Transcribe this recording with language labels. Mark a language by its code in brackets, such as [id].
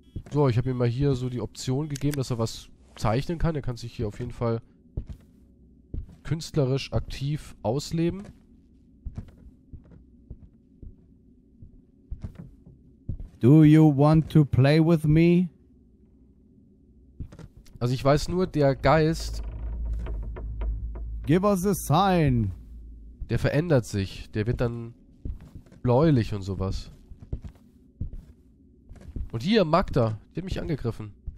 [de] So, ich habe ihm mal hier so die Option gegeben, dass er was zeichnen kann. Er kann sich hier auf jeden Fall künstlerisch aktiv ausleben. [en] Do you want to play with me? [de] Also ich weiß nur, der Geist... [en] Give us a sign. [de] Der verändert sich. Der wird dann bläulich und sowas. Und hier, Magda, die hat mich angegriffen.